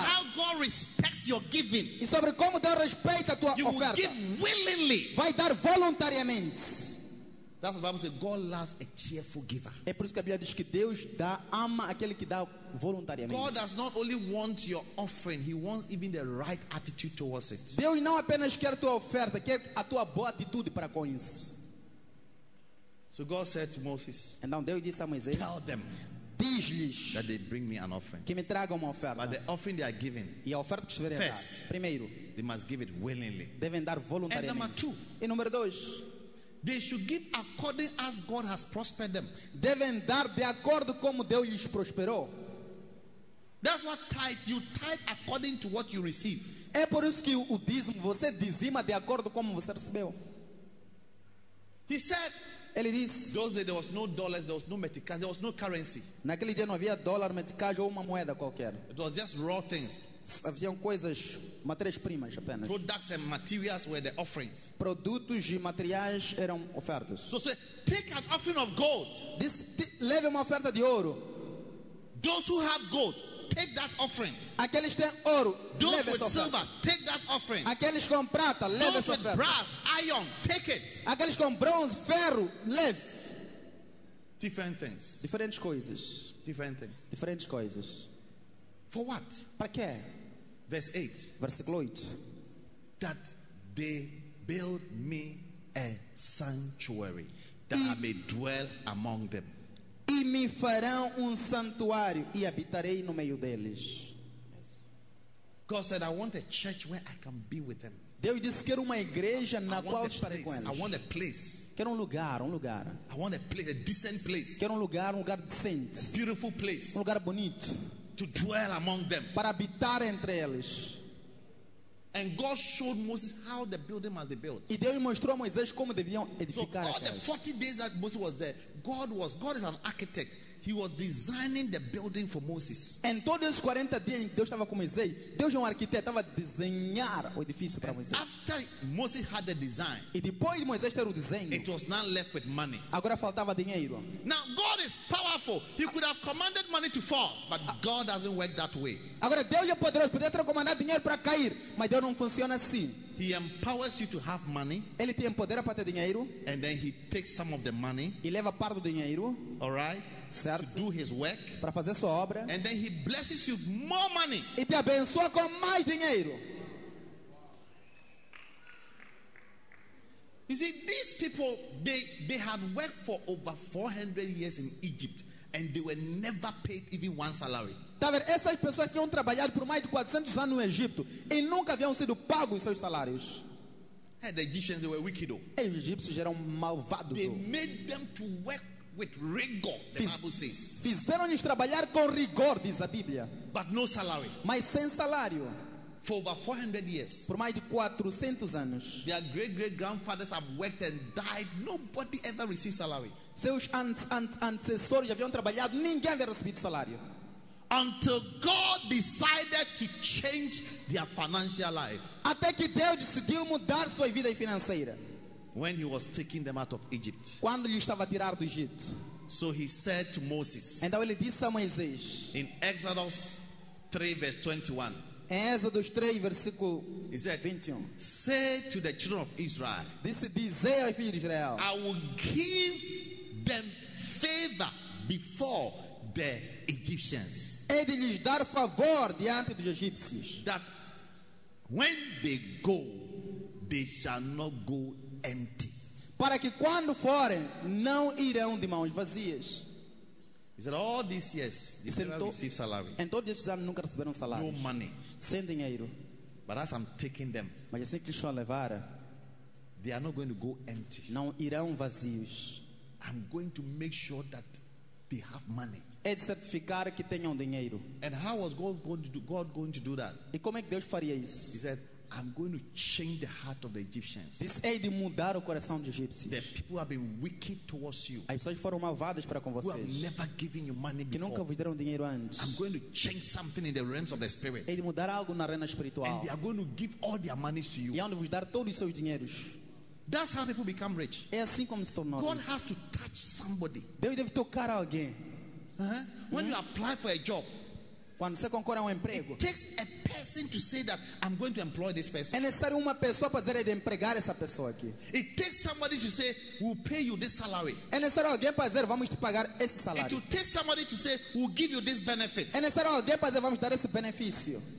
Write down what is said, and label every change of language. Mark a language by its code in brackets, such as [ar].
[en] and how God respects your giving, [pt] e sobre como Deus respeita a tua [en] you [pt] oferta, [en] you give willingly, [pt] vai dar voluntariamente. [en] That's what the Bible says. God loves a cheerful giver. [pt] É por isso que a Bíblia diz que Deus dá ama aquele que dá voluntariamente. [en] God does not only want your offering; He wants even the right attitude towards it. [pt] Deus não apenas quer a tua oferta, quer a tua boa atitude para com isso. [en] So God said to Moses, and now [pt] Deus disse a Moisés, [en] tell them, [pt] diz-lhes, [en] that they bring me an offering. [pt] Que me tragam uma oferta. [en] But the offering they are giving, [pt] e a oferta que estiverem [en] first, [pt] dar, primeiro, [en] they must give it willingly. [pt] Devem dar voluntariamente. [en] And number two, [pt] e número dois, [en] they should give according as God has prospered them. [pt] Devem dar de acordo como Deus lhes prosperou. [en] That's what tithe. You tithe according to what you receive. [pt] É por isso que o dízimo, você dizima de acordo como você recebeu. [en] He said. [pt] Ele diz, [en] those days there was no dollars, there was no metikaj, there was no currency. [pt] Naquele dia não havia dólar, metikaj ou uma moeda qualquer. [en] It was just raw things. [pt] Haviam coisas, matérias primas apenas. [en] Products and materials were the offerings. [pt] Produtos e materiais eram ofertas. [en] So say, take an offering of gold. [pt] Leve uma oferta de ouro. [en] Those who have gold, take that offering. [pt] Aqueles têm ouro, [en] those [pt] leve [en] with [pt] essa oferta. [en] Silver, take that offering. [pt] Aqueles com prata, leve [en] those [pt] essa oferta. [en] With brass, iron, take it. [pt] Aqueles com bronze, ferro, leve. [en] Different things. [pt] Diferentes coisas. [en] Different things. [pt] Diferentes coisas. [en] For what? [pt] Para quê? [en] Verse 8. [pt] Versículo 8. [en] That they build me a sanctuary that I may dwell among them. [pt] E me farão santuário e habitarei no meio deles. [en] God said, I want a church where I can be with them. [pt] Deus disse, quero uma igreja na qual estarei com eles. [en] I want a place. [pt] Quero um lugar. [en] I want a place, a decent place. [pt] Quero um lugar decente. [en] A beautiful place. [pt] Um lugar bonito. [en] To dwell among them. [pt] Para habitar entre eles. [en] And God showed Moses how the building must be built. [pt] E Deus mostrou a Moisés como deviam edificar. [en] So all the 40 days that Moses was there, God is an architect. He was designing the building for Moses. [pt] Em todos os 40 dias que Deus estava com Moisés, Deus é arquiteto, estava a desenhar o edifício para Moisés. [en] After Moses had the design, [pt] e depois de Moisés ter o desenho, [en] it was not left with money. [pt] Agora faltava dinheiro. [en] Now God is powerful. He could have commanded money to fall, but God doesn't work that way. [pt] Agora Deus é poderoso, poderia ter comandado dinheiro para cair, mas Deus não funciona assim. [en] He empowers you to have money. [pt] Ele te empodera para ter dinheiro. [en] And then he takes some of the money. [pt] E leva parte do dinheiro. [en] All right. [pt] Certo. [en] To do his work. [pt] Para fazer sua obra. [en] And then he blesses you more money. [pt] E te abençoa com mais dinheiro. [en] You see, these people, they had worked for over 400 years in Egypt, and they were never paid even one salary. [pt] Tá vendo? Essas pessoas tinham trabalhado por mais de 400 anos no Egito e nunca haviam sido pagos seus salários. [en] And the Egyptians were wicked. [pt] E os egípcios eram malvados. [en] They made them to work with rigor, the Bible says. [pt] Fizeram-lhes trabalhar com rigor, diz a Bíblia. [en] But no salary. [pt] Mas sem salário. [en] For over 400 years. [pt] Por mais de 400 anos. [en] Their great-great-grandfathers have worked and died. Nobody ever received salary. [pt] Seus antecessores haviam trabalhado, ninguém havia recebido salário. [en] Until God decided to change their financial life. [pt] Até que Deus decidiu mudar sua vida financeira. [en] When he was taking them out of Egypt. [pt] Quando lhe estava a tirar do Egito. [en] So he said to Moses. [pt] Então ele disse a Moisés. [en] In Exodus 3 verse 21. [pt] Em Êxodo 3, versículo 21. [en] Say to the children of Israel. [pt] Disse, dizei aos filhos de Israel. [en] I will give them favor before the Egyptians. [pt] Hei de lhes dar favor diante dos egípcios. [en] That when they go, they shall not go empty. [pt] Para que quando forem, não irão de mãos vazias. [en] He said, all these years, they never received salary. [pt] Em todos esses anos, nunca receberam salário. [en] No money. [pt] Sem dinheiro. [en] But as I'm taking them, [pt] mas assim que lhes estou a levar, [en] they are not going to go empty. [pt] Não irão vazios. [en] I'm going to make sure that they have money. [pt] É de certificar que tenham dinheiro. [en] And how was God going to do that? [pt] E como é que Deus faria isso? [en] He said, I'm going to change the heart of the Egyptians. [pt] Diz, hei de mudar o coração dos egípcios. [en] The people have been wicked towards you. [pt] As pessoas foram malvadas para com vocês. [en] Who have never given you money before. [pt] Que nunca vos deram dinheiro antes. [en] I'm going to change something in the realms of the spirit. [pt] Hei de mudar algo na arena espiritual. [en] And they are going to give all their money to you. [pt] E onde vos dar todos os seus dinheiros. [en] That's how people become rich. [pt] É assim como se tornam. [en] God has to touch somebody. [pt] Deus deve tocar alguém. [en] Uh-huh. When you apply for a job, [pt] quando você concorre a emprego, [en] it takes a person to say that I'm going to employ this person. [pt] É necessário uma pessoa para dizer de empregar essa pessoa aqui. [en] It takes somebody to say we'll pay you this salary. [pt] É necessário alguém para dizer vamos te pagar esse salário. [en] It will take somebody to say we'll give you this benefit. [pt] É necessário alguém para dizer vamos dar esse benefício.